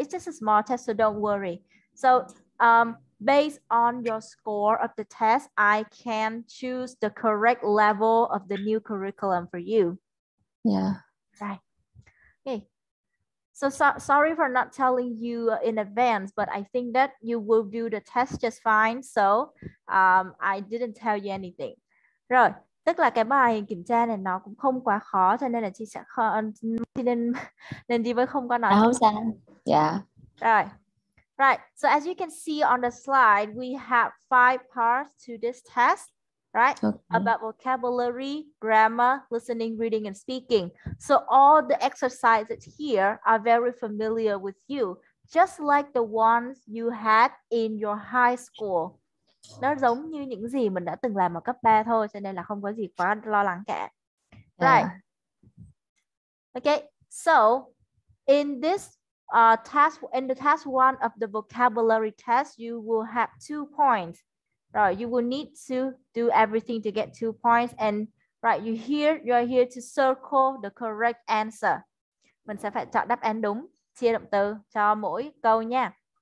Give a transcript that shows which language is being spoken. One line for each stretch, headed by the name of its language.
English: It's just a small test, so don't worry. So based on your score of the test, I can choose the correct level of the new curriculum for you. Yeah. Right. Okay. So sorry for not telling you in advance, but I think that you will do the test just fine. So I didn't tell you anything. Rồi.
Vietnamese: Tức là cái bài kiểm tra này nó cũng không quá khó, cho nên là chị sẽ nên chị mới không có nói. Không sao. Yeah.
English: Right. So as you can see on the slide, we have 5 parts to this test, right? Okay. About vocabulary, grammar, listening, reading, and speaking. So all the exercises here are very familiar with you, just like the ones you had in your high school.
Vietnamese: Nó giống như những gì mình đã từng làm ở cấp 3 thôi, cho nên là không có gì quá lo lắng cả.
English: Right. Okay. So in this test, in the test one of the vocabulary test, you will have 2 points. Right. You will need to do everything to get 2 points. And right, you are here to circle the correct answer.
Vietnamese: Mình sẽ phải chọn đáp án đúng, chia động từ cho mỗi câu nha.